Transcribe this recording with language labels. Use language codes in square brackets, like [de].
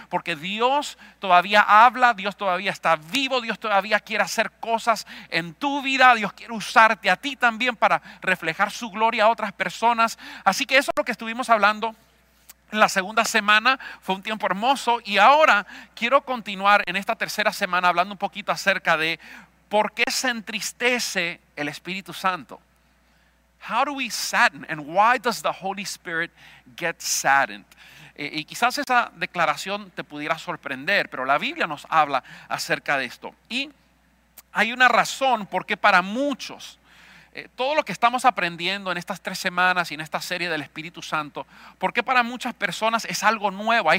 [es] Porque Dios todavía habla, Dios todavía está vivo, Dios todavía quiere hacer cosas en tu vida, Dios quiere usarte a ti también para reflejar su gloria a otras personas. Así que eso es lo que estuvimos hablando en la segunda semana. Fue un tiempo hermoso. Y ahora quiero continuar en esta tercera semana hablando un poquito acerca de por qué se entristece el Espíritu Santo. [en] How do we sadden and why does the Holy Spirit get saddened? [es] Y quizás esa declaración te pudiera sorprender, pero la Biblia nos habla acerca de esto. Y hay una razón por qué para muchos, todo lo que estamos aprendiendo en estas tres semanas y en esta serie del Espíritu Santo, por qué para muchas personas es algo nuevo.